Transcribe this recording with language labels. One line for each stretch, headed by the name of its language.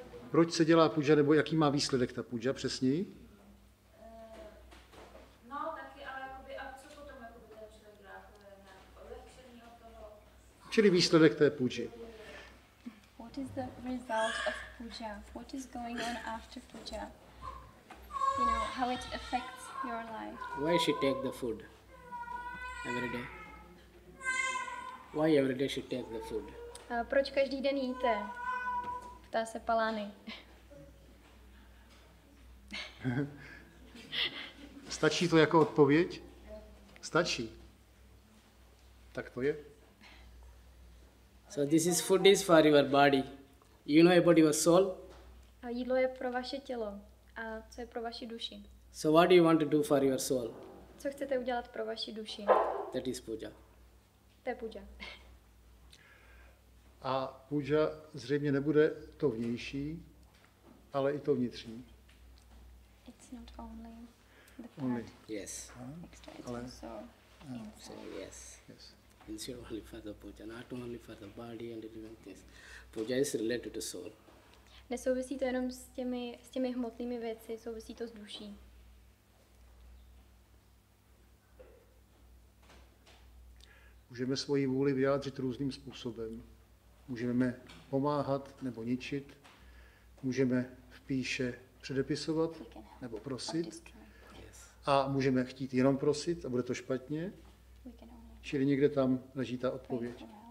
Czech: Proč se dělá puja, nebo jaký má výsledek ta puja přesněji? No, taky, ale jakoby, a co potom jakoby, ten člověk dělá, to je nějak odlehčení od toho? Čili výsledek té puji.
English: What is the result of puja? What is going on after puja? You know, how it affects your life? Why she take the food every day? Why every day she take the food?
Czech: Proč každý den jíte? Ptá se Palány. Stačí to jako odpověď? Stačí. Tak to je.
English: So this is food is for your body. You know about your soul?
Czech: Jídlo je pro vaše tělo. A co je pro vaši duši?
English: So what do you want to do for your soul?
Czech: Co chcete udělat pro vaši duši?
English: That is puja.
Czech: To je puja. A puja zřejmě nebude to vnější, ale i to vnitřní.
English: It's not only the part. Only. Yes.
Czech: Ale. So
English: yes. Yes. It's only for the puja, not only for the body and even this. Puja is related to soul.
Czech: Nesouvisí to jenom s těmi hmotnými věci, souvisí to s duší. Můžeme svoji vůli vyjádřit různým způsobem. Můžeme pomáhat nebo ničit, můžeme v píše předepisovat nebo prosit a můžeme chtít jenom prosit a bude to špatně, čili někde tam leží ta odpověď.